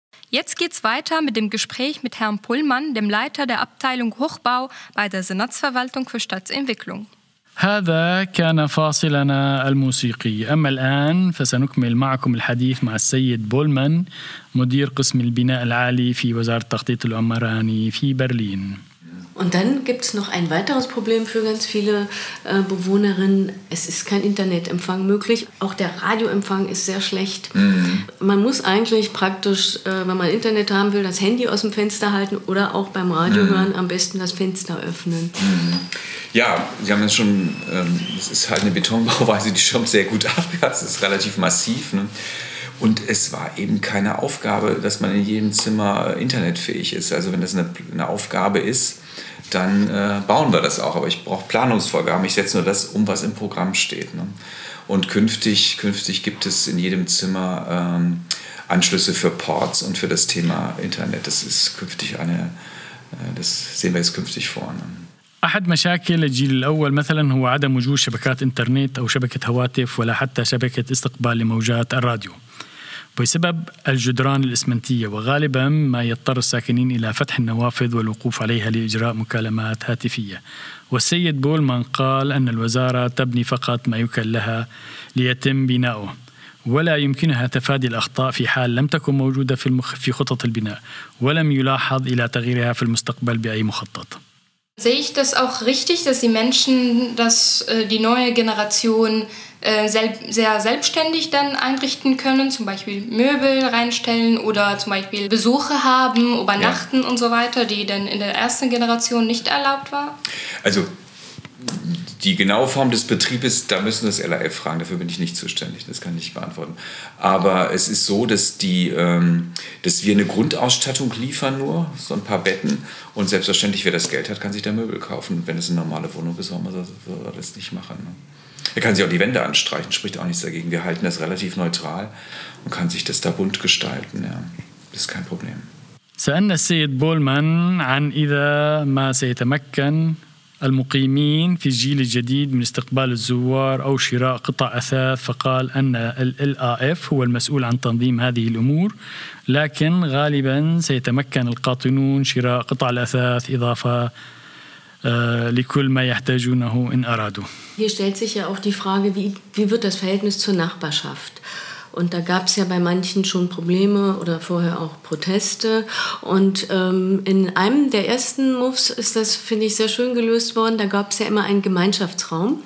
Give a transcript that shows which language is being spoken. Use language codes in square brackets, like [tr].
[de] Jetzt geht's weiter mit dem Gespräch mit Herrn Pullmann, dem Leiter der Abteilung Hochbau bei der Senatsverwaltung für Stadtentwicklung. [ar] هذا كان فاصلنا الموسيقي. أما الآن فسنكمل معكم الحديث مع السيد بولمان مدير قسم البناء العالي في وزارة التخطيط العمراني في برلين. [de] Und dann gibt es noch ein weiteres Problem für ganz viele Bewohnerinnen. Es ist kein Internetempfang möglich. Auch der Radioempfang ist sehr schlecht. Man muss eigentlich praktisch, wenn man Internet haben will, das Handy aus dem Fenster halten oder auch beim Radio hören am besten das Fenster öffnen. Ja, Sie haben es schon, es ist halt eine Betonbauweise, die schirmt sehr gut ab. Es ist relativ massiv. Ne? Und es war eben keine Aufgabe, dass man in jedem Zimmer internetfähig ist. Also wenn das eine Aufgabe ist, dann bauen wir das auch. Aber ich brauche Planungsvorgaben. Ich setze nur das um, was im Programm steht. Ne? Und künftig gibt es in jedem Zimmer Anschlüsse für Ports und für das Thema Internet. Das ist künftig das sehen wir jetzt künftig vor. Ne? [ar] أحد مشاكل الجيل الأول مثلاً هو عدم وجود شبكات إنترنت أو شبكة هواتف ولا حتى شبكة استقبال لموجات الراديو بسبب الجدران الإسمنتية، وغالباً ما يضطر الساكنين إلى فتح النوافذ والوقوف عليها لإجراء مكالمات هاتفية. والسيد بولمان قال أن الوزارة تبني فقط ما يكل لها ليتم بناؤه، ولا يمكنها تفادي الأخطاء في حال لم تكن موجودة في خطط البناء ولم يلاحظ إلى تغييرها في المستقبل بأي مخطط. [de] Sehe ich das auch richtig, dass die Menschen, dass die neue Generation sehr selbstständig dann einrichten können, zum Beispiel Möbel reinstellen oder zum Beispiel Besuche haben, übernachten und so weiter, die dann in der ersten Generation nicht erlaubt war? Also die genaue Form des Betriebes, da müssen das LAF fragen, dafür bin ich nicht zuständig, das kann ich nicht beantworten. Aber es ist so, dass wir eine Grundausstattung liefern nur, so ein paar Betten. Und selbstverständlich, wer das Geld hat, kann sich da Möbel kaufen. Wenn es eine normale Wohnung ist, soll man das nicht machen. Er kann sich auch die Wände anstreichen, spricht auch nichts dagegen. Wir halten das relativ neutral und kann sich das da bunt gestalten. Ja. Das ist kein Problem. [ar] سألنا السيد بولمان عن إذا ما سيتمكن المقيمين في الجيل الجديد من استقبال الزوار أو شراء قطع أثاث، فقال أن LAF هو المسؤول عن تنظيم هذه الأمور، لكن غالبا سيتمكن القاطنون شراء قطع الأثاث إضافة لكل ما يحتاجونه إن أرادوا. [de] Hier stellt sich ja auch die Frage, wie wird das Verhältnis zur Nachbarschaft? Und da gab es ja bei manchen schon Probleme oder vorher auch Proteste. Und in einem der ersten Moves ist das, finde ich, sehr schön gelöst worden. Da gab es ja immer einen Gemeinschaftsraum.